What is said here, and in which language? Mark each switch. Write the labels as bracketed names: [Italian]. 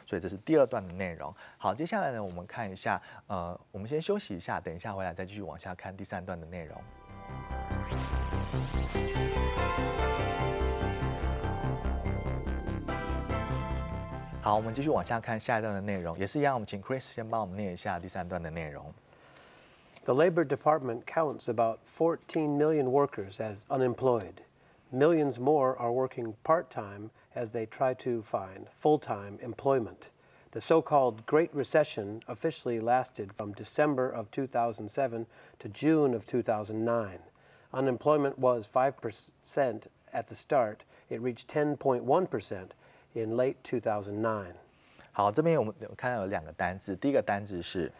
[Chinese] 所以这是第二段的内容。好，接下来呢，我们看一下，我们先休息一下，等一下回来再继续往下看第三段的内容。好，我们继续往下看下一段的内容，也是一样，我们请 Chris 先帮我们念一下第三段的内容。 [English] The Labor Department counts about 14 million workers as unemployed. Millions more are working part-time as they try to find full-time employment. The so-called Great Recession officially lasted from December of 2007 to June of 2009. Unemployment was 5% at the start. It reached 10.1%. In late 2009. [Chinese] 好，这边我们看到有两个单字，第一个单字是